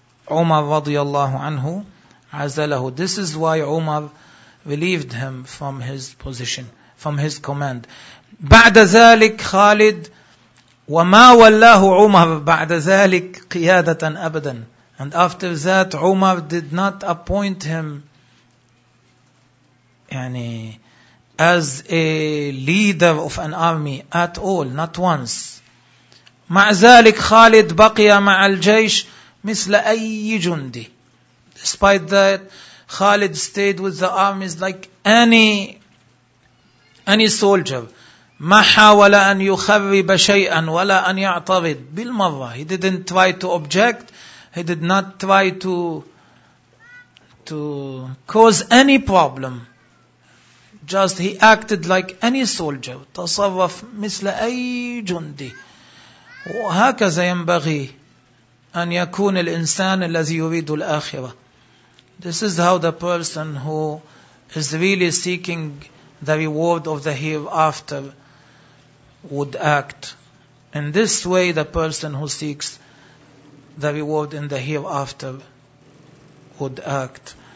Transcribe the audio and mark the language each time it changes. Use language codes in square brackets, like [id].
[en] Umar [ar] radiallahu anhu azalahu. [en] This is why Umar relieved him from his position, from his command. [ar] بعد ذلك خالد وما ولاه عمر بعد ذلك قيادة أبدا. [en] And after that, Umar did not appoint him يعني as a leader of an army at all, not once. [ar] مع ذلك خالد بقي مع الجيش مثل أي جندي. [en] Despite that, Khalid stayed with the armies like any soldier. [ar] ما حاول أن يخرب شيئا ولا أن يعترض بالمرة. [en] He didn't try to object. He did not try to cause any problem. Just he acted like any soldier. [ar] تصرف مثل أي جندي. وهكذا ينبغي أن يكون الإنسان الذي يريد الآخرة. [en] This is how the person who is really seeking the reward of the hereafter would act. In this way, the person who seeks the reward in the hereafter would act.